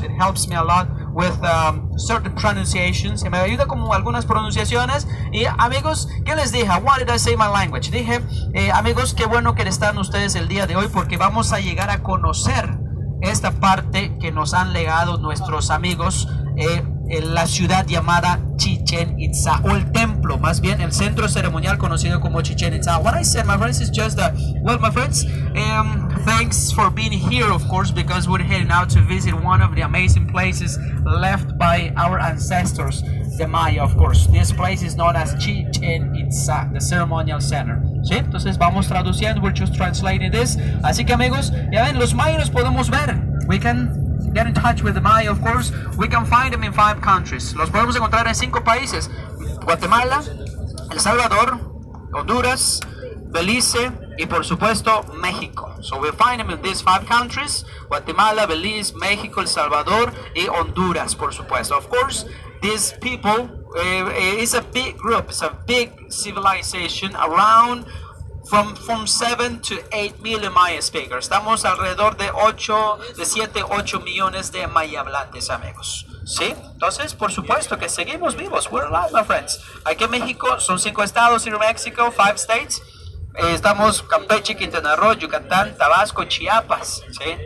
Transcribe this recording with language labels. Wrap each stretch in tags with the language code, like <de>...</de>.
<en>It helps me a lot with certain pronunciations.</en> <es>Y me ayuda con algunas pronunciaciones. Y amigos, ¿qué les dije?</es> <en>What did I say my language?</en> <es>Dije, amigos, qué bueno que están ustedes el día de hoy porque vamos a llegar a conocer esta parte que nos han legado nuestros amigos en la ciudad llamada Chichen Itza, o el templo, más bien el centro ceremonial conocido como Chichen Itza.</es> <en>What I said, my friends, is just that, well, my friends, thanks for being here, of course, because we're heading out to visit one of the amazing places left by our ancestors, the Maya, of course. This place is known as Chichen Itza, the ceremonial center.</en> <es>¿Sí? Entonces vamos traduciendo,</es> <en>we're just translating this.</en> <es>Así que amigos, ya ven, los mayas los podemos ver.</es> <en>We can get in touch with the Maya, of course. We can find them in 5 countries.</en> <es>Los podemos encontrar en 5 países: Guatemala, El Salvador, Honduras, Belice y por supuesto México.</es> <en>So we find them in these 5 countries: Guatemala, Belice, México, El Salvador y Honduras,</en> <es>por supuesto.</es> <en>Of course, these people is a big group. It's a big civilization around from 7 to 8 million Maya speakers.</en> <es>Estamos alrededor de 7-8 millones de Maya hablantes, amigos. ¿Sí? Entonces, por supuesto que seguimos vivos.</es> <en>We're alive, my friends.</en> <es>Aquí en México son 5 estados, y en México,</es> <en>5 states.</en> <es>Estamos Campeche, Quintana Roo, Yucatán, Tabasco, Chiapas. ¿Sí?</es>